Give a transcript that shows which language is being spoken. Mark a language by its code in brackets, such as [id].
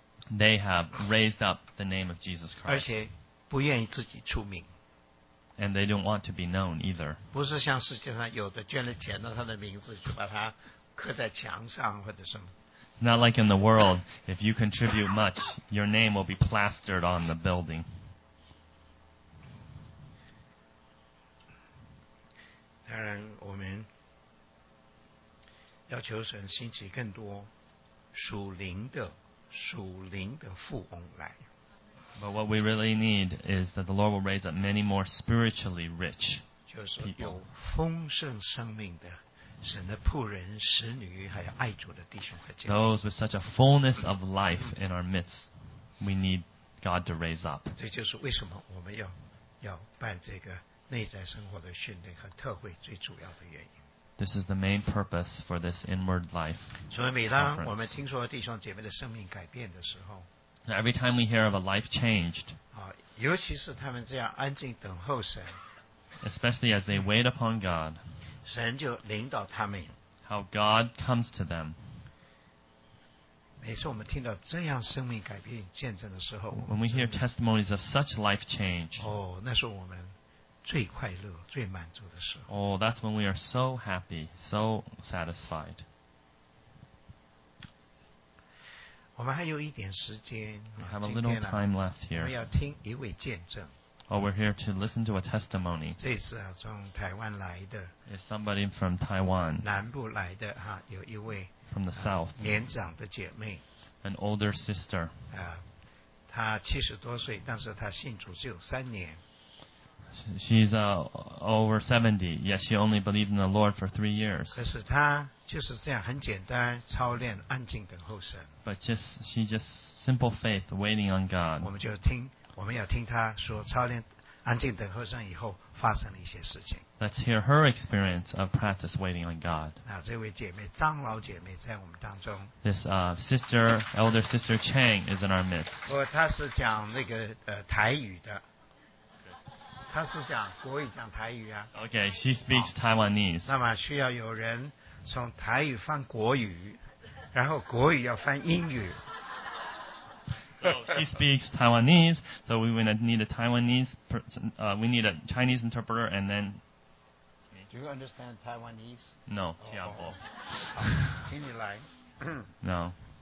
[en] They have raised up the name of Jesus Christ. [zh] 而且不愿意自己出名。 [en] And they don't want to be known either. [zh] 不是像世界上有的捐了钱了他的名字就把他刻在墙上或者什么。 [en] Not like in the world, if you contribute much, your name will be plastered on the building. [zh] 当然我们要求神兴起更多属灵的富翁来。 [en] But what we really need is that the Lord will raise up many more spiritually rich people. [zh] 就是有丰盛生命的。神的仆人、使女，还有爱主的弟兄和姐妹。 [en] Those with such a fullness of life in our midst, we need God to raise up. [zh] 这就是为什么我们要办这个内在生活的训练和特会最主要的原因。 [en] This is the main purpose for this inward life. [zh] 所以每当我们听说弟兄姐妹的生命改变的时候 [en] ，Every time we hear of a life changed, [zh] 尤其是他们这样安静等候神。 [en] Especially as they wait upon God. [zh] 神就领导他们。 [en] How God comes to them. [zh] 每次我们听到这样生命改变见证的时候 [en] When we hear testimonies of such life change. [zh] 哦，那是我们最快乐、最满足的时候。 [en] Oh, that's when we are so happy, so satisfied. [zh] 我们还有一点时间。 [en] We have a little time left here. [zh] 我们要听一位见证。 [en] Oh, we're here to listen to a testimony. [zh] 这次啊，从台湾来的。 [en] It's somebody from Taiwan. [zh] 南部来的哈，有一位。 [en] From the south. [zh] 年长的姐妹。 [en] An older sister. [zh] 啊，她七十多岁，但是她信主只有三年。 [en] She's over 70, yet she only believed in the Lord for 3 years. [zh] 可是她就是这样很简单操练安静等候神。 [en] But she just simple faith waiting on God. [zh] 我们要听她说操练安静等候神以后发生了一些事情。 [en] Let's hear her experience of practice waiting on God. [zh] 那这位姐妹张老姐妹在我们当中。 [en] This elder sister Chang is in our midst. [zh] 不，她是讲那个台语的。他是讲国语讲台语啊。 [en] Okay, she speaks Taiwanese. [zh] 那么需要有人从台语翻国语，然后国语要翻英语。 [en] So she speaks Taiwanese, so we need a Taiwanese person, we need a Chinese interpreter, and then. Do you understand Taiwanese? [zh] No, 听不懂。请你来。 [en] No.